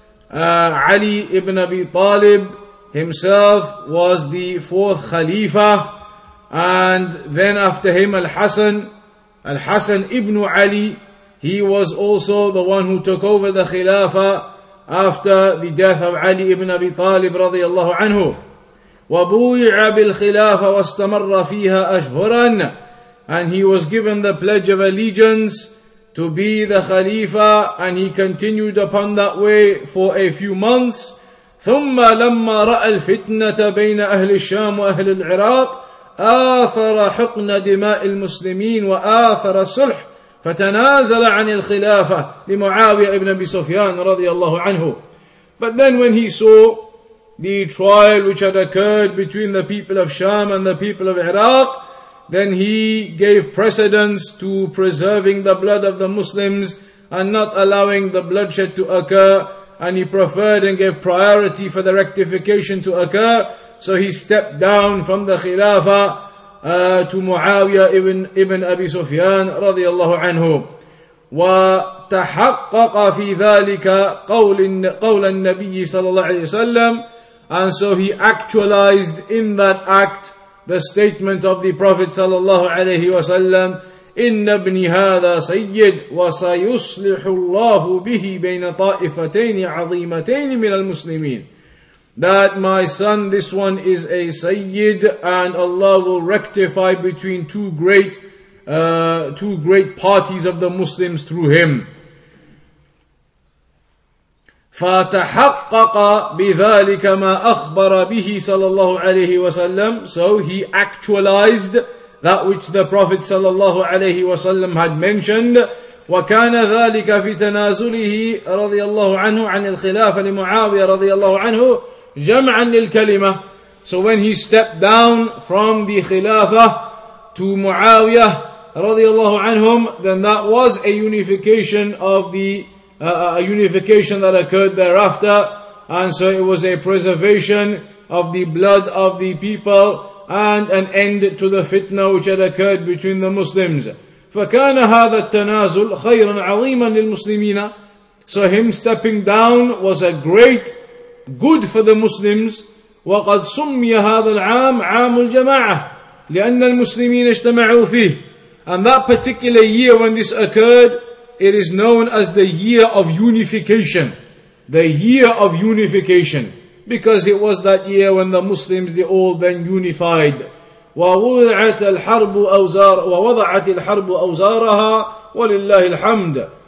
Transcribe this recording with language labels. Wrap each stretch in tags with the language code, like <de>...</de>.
<en>Ali ibn Abi Talib himself was the fourth Khalifa, and then after him Al-Hasan ibn Ali, he was also the one who took over the Khilafah after the death of Ali ibn Abi Talib radiyallahu anhu.</en> <ar>وَبُوِعَ بِالْخِلَافَ وَاسْتَمَرَّ فِيهَا أَشْهُرًا.</ar> <en>And he was given the pledge of allegiance to be the Khalifa, and he continued upon that way for a few months.</en> <ar>ثُمَّ لَمَّا رَأَى الْفِتْنَةَ بَيْنَ أَهْلِ الشَّامُ وَأَهْلِ الْعِرَاقِ آثَرَ حُقْنَ دِمَاءِ الْمُسْلِمِينَ وَآثَرَ الصُّلْحِ فتنازل عن الخلافة لمعاوية ابن أبي سفيان رضي الله عنه.</ar> <en>But then when he saw the trial which had occurred between the people of Sham and the people of Iraq, then he gave precedence to preserving the blood of the Muslims and not allowing the bloodshed to occur, and he preferred and gave priority for the rectification to occur. So he stepped down from the Khilafah to Muawiyah ibn Abi Sufyan radiallahu anhu.</en> <ar>وتحقق في ذلك قول النبي صلى الله عليه وسلم.</ar> <en>And so he actualized in that act the statement of the Prophet</en> <ar>صلى الله عليه وسلم, إن ابني هذا سيد وسيصلح الله به بين طائفتين عظيمتين من المسلمين.</ar> <en>That my son, this one is a Sayyid, and Allah will rectify between two great parties of the Muslims through him.</en> <ar>فتحقق بذلك ما أخبر به صلى الله عليه وسلم.</ar> <en>So he actualized that which the Prophet صلى الله عليه وسلم had mentioned.</en> <ar>وكان ذلك في تنازله رضي الله عنه عن الخلافة لمعاوية رضي الله عنه جمعا للكلمة.</ar> <en>So when he stepped down from the Khilafah to Muawiyah رضي الله عنهم, then that was a unification of the a unification that occurred thereafter, and so it was a preservation of the blood of the people and an end to the fitna which had occurred between the Muslims.</en> <ar>فكان هذا التنازل خيرا عظيما للمسلمين.</ar> <en>So him stepping down was a great good for the Muslims.</en> <ar>وقد سمي هذا العام عام الجماعة لأن المسلمين اجتمعوا فيه.</ar> <en>And that particular year when this occurred, it is known as the year of unification. The year of unification. Because it was that year when the Muslims, they all then unified.</en> <ar>وَوُضِعَتِ الْحَرْبُ أَوْزَارَهَا وَوَضَعَتِ الْحَرْبُ أَوْزَارَهَا وَلِلَّهِ الْحَمْدُ.</ar>